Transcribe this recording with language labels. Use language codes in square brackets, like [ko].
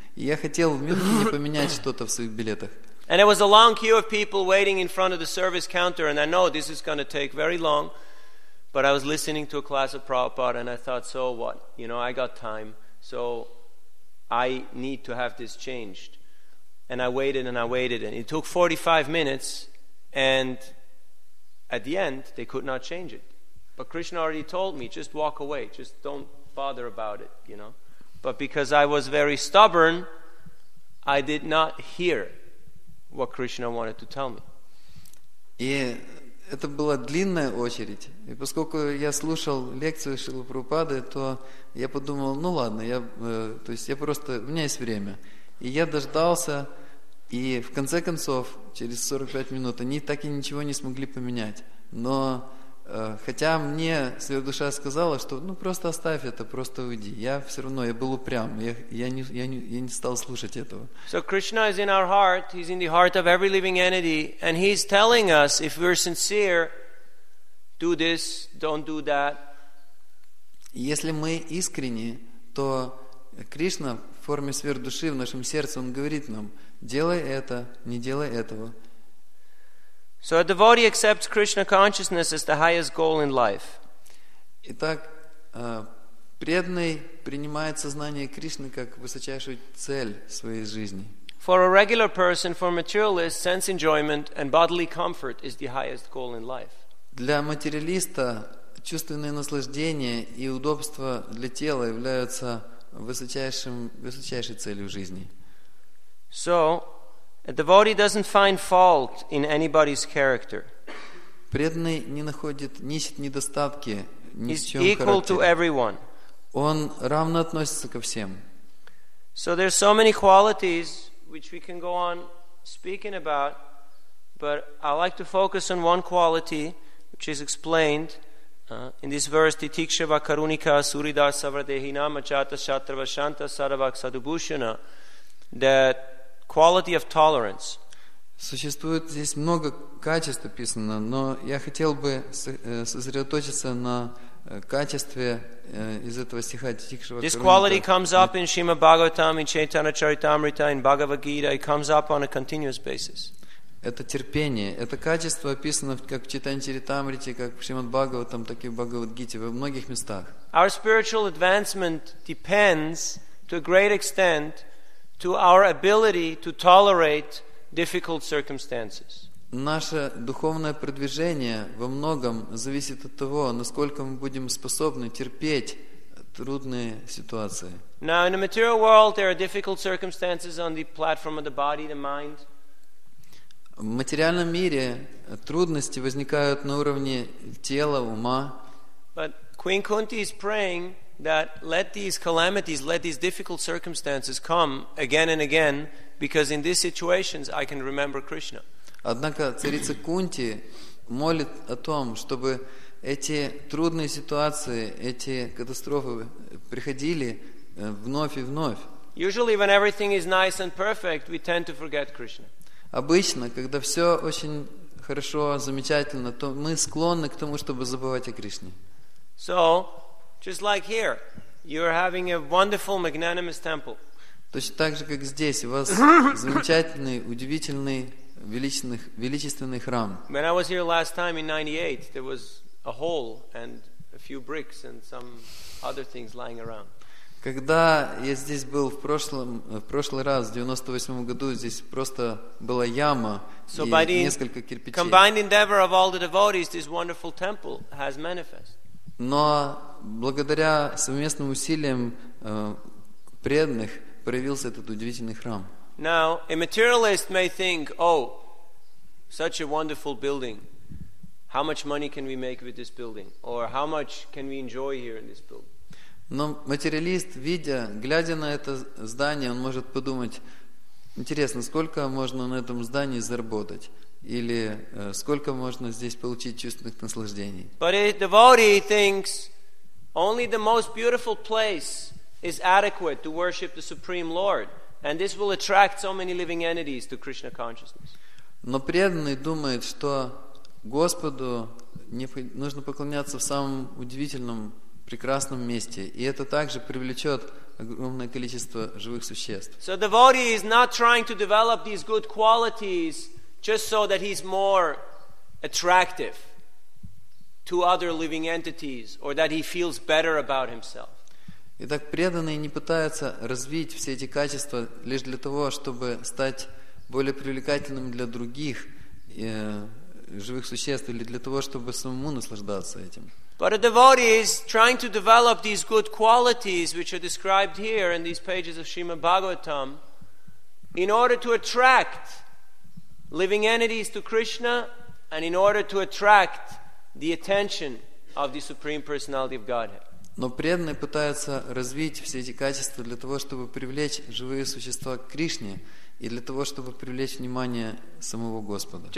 [ru] И я хотел в Мюнхене поменять что-то в своих билетах. [en] And there was a long queue of people waiting in front of the service counter, and I know this is going to take very long, but I was listening to a class of Prabhupada, and I thought, so what? You know, I got time, so I need to have this changed. And I waited and I waited, and it took 45 minutes, and at the end, they could not change it. But Krishna already told me, just walk away, just don't bother about it, you know. But because I was very stubborn, I did not hear what Krishna wanted to tell me. [ru] И это была длинная очередь. И поскольку я слушал лекцию Шрилы Прабхупады, то я подумал, ну ладно, я, то есть я просто, у меня есть время. И я дождался, и в конце концов, через 45 минут, они так и ничего не смогли поменять. Но хотя мне Святая Душа сказала, что ну просто оставь это, просто уйди. Я все равно, я был упрям, я не стал слушать этого. [en] So Krishna is in our heart, he's in the heart of every living entity, and he's telling us, if we're sincere, do this, don't do that. [ru] Если мы искренни, то Кришна в форме Святой Души в нашем сердце, он говорит нам, делай это, не делай этого. [en] So a devotee accepts Krishna consciousness as the highest goal in life. [ru] Итак, преданный принимает сознание Кришны как высочайшую цель своей жизни. [en] For a regular person, for materialist, sense enjoyment and bodily comfort is the highest goal in life. [ru] Для материалиста чувственные наслаждения и удобства для тела являются высочайшей целью жизни. [en] So a devotee doesn't find fault in anybody's character. [ru] Преданный не находит, не ищет недостатки ни в чем характере. Он равно относится ко всем. [en] So there's so many qualities which we can go on speaking about, but I like to focus on one quality which is explained in this verse: [sa] Titikshava Karunika Surida Savradehina Machata Shatrava Shanta Saravak Sadubhushana, [en] that quality of tolerance. [ru] Существует здесь много качеств описано, но я хотел бы сосредоточиться на качестве из этого стиха. [en] This quality comes up in Shrimad Bhagavatam, in Chaitanya Charitamrita, in Bhagavad Gita. It comes up on a continuous basis. [ru] Это терпение. Это качество описано как в Чайтанья Чаритамрите, как в Шримад Бхагаватам, так и в Бхагавад Гите, во многих местах. [en] Our spiritual advancement depends to a great extent to our ability to tolerate difficult circumstances. [ru] Наше духовное продвижение во многом зависит от того, насколько мы будем способны терпеть трудные ситуации. [en] Now, in the material world, there are difficult circumstances on the platform of the body, the mind. [ru] В материальном мире трудности возникают на уровне тела, ума. [en] But Queen Kunti is praying that let these calamities, let these difficult circumstances come again and again, because in these situations I can remember Krishna. [ru] Однако царица Кунти молит о том, чтобы эти трудные ситуации, эти катастрофы приходили вновь и вновь. [en] Usually when everything is nice and perfect, we tend to forget Krishna. [ru] Обычно, когда все очень хорошо, замечательно, то мы склонны к тому, чтобы забывать о Кришне. [en] So, just like here, you are having a wonderful, magnanimous temple. [ru] Точно так же, как здесь, у вас замечательный, удивительный, величественный храм. [en] When I was here last time in 98, there was a hole and a few bricks and some other things lying around. [ru] Когда я здесь был в прошлый раз, в 98 году, здесь просто была яма и несколько кирпичей. [en] Combined endeavor of all the devotees, this wonderful temple has manifest. [ru] Но благодаря совместным усилиям преданных проявился этот удивительный храм. [en] Now, a materialist may think, oh, such a wonderful building. How much money can we make with this building? Or how much can we enjoy here in this building? [ru] Но материалист, видя, глядя на это здание, он может подумать, интересно, сколько можно на этом здании заработать? Или сколько можно здесь получить чувственных наслаждений? [en] But a devotee thinks only the most beautiful place is adequate to worship the Supreme Lord. And this will attract so many living entities to Krishna consciousness. [ru] Но преданный думает, что Господу нужно поклоняться в самом удивительном прекрасном месте, и это также привлечет огромное количество живых существ. [en] So the devotee is not trying to develop these good qualities just so that he's more attractive to other living entities or that he feels better about himself. [ru] Итак, преданный не пытается развить все эти качества лишь для того, чтобы стать более привлекательным для других живых существ или для того, чтобы самому наслаждаться этим. [en] But a devotee is trying to develop these good qualities which are described here in these pages of Srimad Bhagavatam in order to attract living entities to Krishna and in order to attract the attention of the Supreme Personality of Godhead. [ru] Но преданный пытается развить все эти качества для того, чтобы привлечь живые существа к Кришне и для того, чтобы привлечь внимание самого Господа.